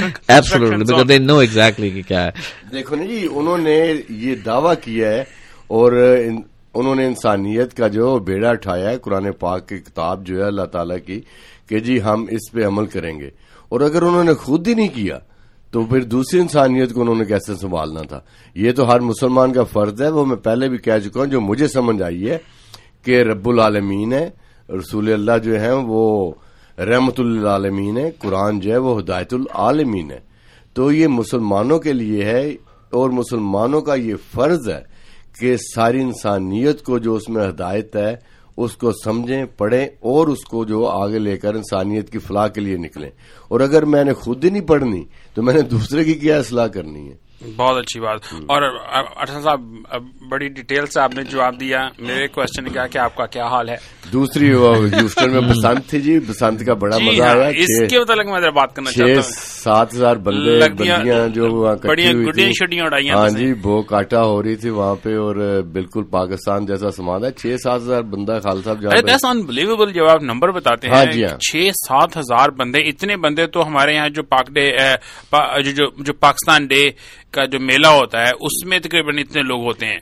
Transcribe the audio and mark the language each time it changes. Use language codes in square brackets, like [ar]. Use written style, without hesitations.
[en] Absolutely, because they know exactly [ur] کہ کیا ہے. دیکھو نا جی, انہوں نے یہ دعویٰ کیا ہے اور انہوں نے انسانیت کا جو بیڑا اٹھایا ہے قرآن پاک کی کتاب جو ہے اللہ تعالیٰ کی, کہ جی ہم اس پہ عمل کریں گے, اور اگر انہوں نے خود ہی نہیں کیا تو پھر دوسری انسانیت کو انہوں نے کیسے سنبھالنا تھا؟ یہ تو ہر مسلمان کا فرض ہے, وہ میں پہلے بھی کہہ چکا ہوں, جو مجھے سمجھ آئی ہے کہ رب العالمین ہے, رسول اللہ جو ہیں وہ رحمت للعالمین ہے, قرآن جو ہے وہ ہدایت العالمین ہے. تو یہ مسلمانوں کے لیے ہے, اور مسلمانوں کا یہ فرض ہے کہ ساری انسانیت کو جو اس میں ہدایت ہے اس کو سمجھیں, پڑھیں, اور اس کو جو آگے لے کر انسانیت کی فلاح کے لیے نکلیں. اور اگر میں نے خود ہی نہیں پڑھنی تو میں نے دوسرے کی کیا اصلاح کرنی ہے؟ بہت اچھی بات. اور ارشد صاحب, بڑی ڈیٹیل سے آپ نے جواب دیا میرے کوشچن کا کہ آپ کا کیا حال ہے. دوسری ہیوسٹن میں بسنت تھی جی, بسنت کا بڑا مزہ آیا. اس کے متعلق میں ذرا بات کرنا چاہتا ہوں. 6-7 ہزار بندے بندیاں جو وہاں بڑی گڈیاں شڈیاں اڑائیاں. ہاں جی, بو کاٹا ہو رہی تھی وہاں پہ, اور بالکل پاکستان جیسا سماج ہے. 6-7 ہزار بندہ خال صاحب, [en] That's unbelievable. [ur] جو آپ نمبر بتاتے ہیں 6-7 ہزار بندے, اتنے بندے تو ہمارے یہاں جو پاک ڈے, جو پاکستان ڈے کا جو میلہ ہوتا ہے اس میں تقریباً اتنے لوگ ہوتے ہیں.